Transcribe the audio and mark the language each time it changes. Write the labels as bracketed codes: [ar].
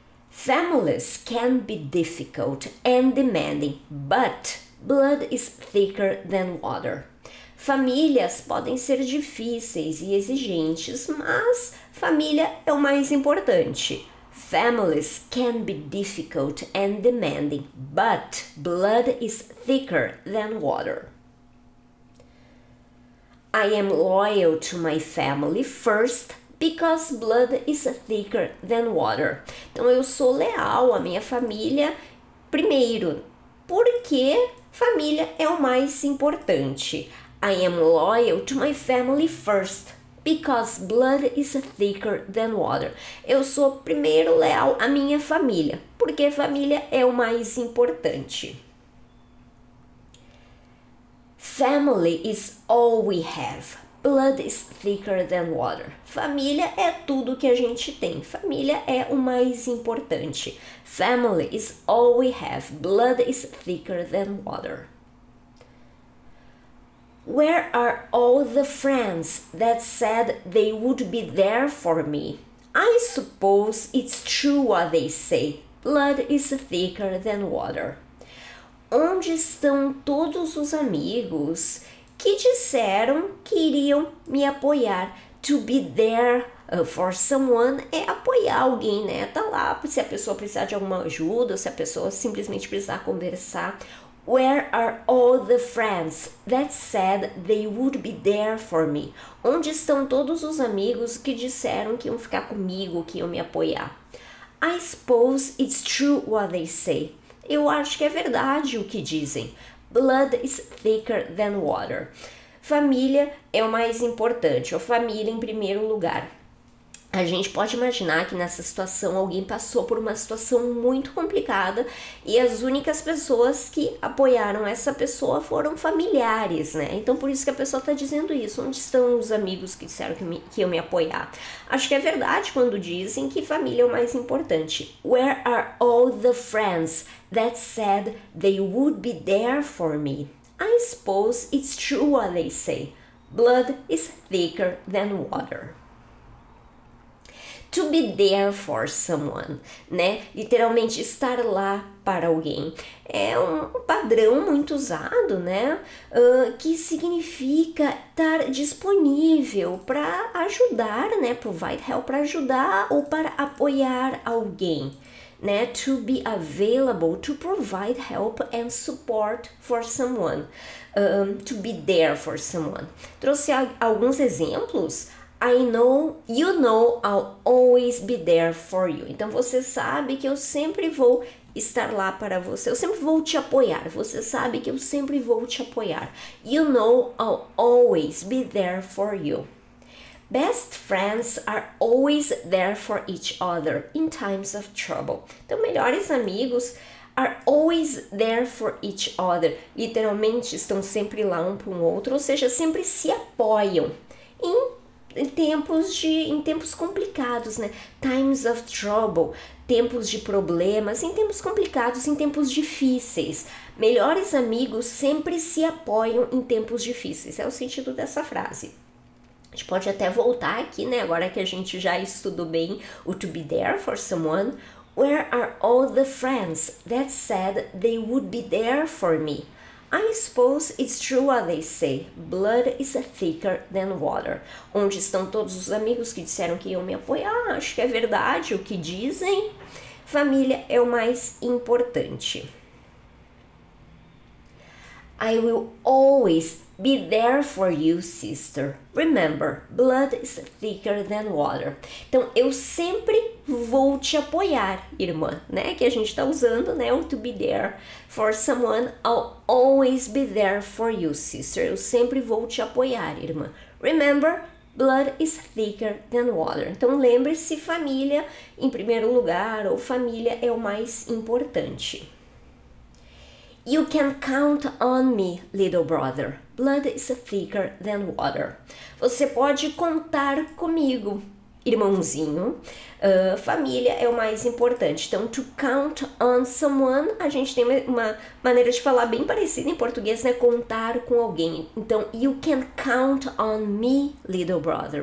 [en] Families can be difficult and demanding, but blood is thicker than water. [pt] Famílias podem ser difíceis e exigentes, mas família é o mais importante. [en] Families can be difficult and demanding, but blood is thicker than water. I am loyal to my family first, because blood is thicker than water. [pt] Então, eu sou leal à minha família primeiro, porque família é o mais importante. [en] I am loyal to my family first, because blood is thicker than water. [pt] Eu sou primeiro leal à minha família, porque família é o mais importante. [en] Family is all we have. Blood is thicker than water. [pt] Família é tudo que a gente tem. Família é o mais importante. [en] Family is all we have. Blood is thicker than water. Where are all the friends that said they would be there for me? I suppose it's true what they say. Blood is thicker than water. [pt] Onde estão todos os amigos que disseram que iriam me apoiar? [en] To be there for someone [pt] é apoiar alguém, né? Tá lá, se a pessoa precisar de alguma ajuda, ou se a pessoa simplesmente precisar conversar. [en] Where are all the friends that said they would be there for me? [pt] Onde estão todos os amigos que disseram que iam ficar comigo, que iam me apoiar? [en] I suppose it's true what they say. [pt] Eu acho que é verdade o que dizem. [en] Blood is thicker than water. [pt] Família é o mais importante, ou família em primeiro lugar. A gente pode imaginar que nessa situação alguém passou por uma situação muito complicada e as únicas pessoas que apoiaram essa pessoa foram familiares, né? Então, por isso que a pessoa tá dizendo isso. Onde estão os amigos que disseram que iam me apoiar? Acho que é verdade quando dizem que família é o mais importante. [en] Where are all the friends that said they would be there for me? I suppose it's true what they say. Blood is thicker than water. To be there for someone, [pt] né? Literalmente, estar lá para alguém. É um padrão muito usado, né? Que significa estar disponível para ajudar, né? [en] Provide help [pt] para ajudar ou para apoiar alguém, né? [en] To be available, to provide help and support for someone. To be there for someone. [pt] Trouxe alguns exemplos. [en] I know, you know, I'll always be there for you. [pt] Então, você sabe que eu sempre vou estar lá para você. Eu sempre vou te apoiar. Você sabe que eu sempre vou te apoiar. [en] You know, I'll always be there for you. Best friends are always there for each other in times of trouble. [pt] Então, melhores amigos [en] are always there for each other. [pt] Literalmente, estão sempre lá um para o outro, ou seja, sempre se apoiam em tempos complicados, né? [en] Times of trouble, [pt] tempos de problemas, em tempos complicados, em tempos difíceis. Melhores amigos sempre se apoiam em tempos difíceis. É o sentido dessa frase. A gente pode até voltar aqui, né? Agora que a gente já estudou bem o [en] to be there for someone. Where are all the friends that said they would be there for me? I suppose it's true what they say. Blood is thicker than water. [pt] Onde estão todos os amigos que disseram que iam me apoiar? Acho que é verdade o que dizem. Família é o mais importante. [en] I will always be there for you, sister. Remember, blood is thicker than water. [pt] Então, eu sempre vou te apoiar, irmã, né? Que a gente tá usando, né? O [en] to be there for someone. I'll always be there for you, sister. [pt] Eu sempre vou te apoiar, irmã. [en] Remember, blood is thicker than water. [pt] Então, lembre-se, família em primeiro lugar, ou família é o mais importante. [en] You can count on me, little brother. Blood is thicker than water. [pt] Você pode contar comigo, irmãozinho. Família é o mais importante. Então, [en] to count on someone, [pt] a gente tem uma maneira de falar bem parecida em português, né? Contar com alguém. [en] Então, you can count on me, little brother.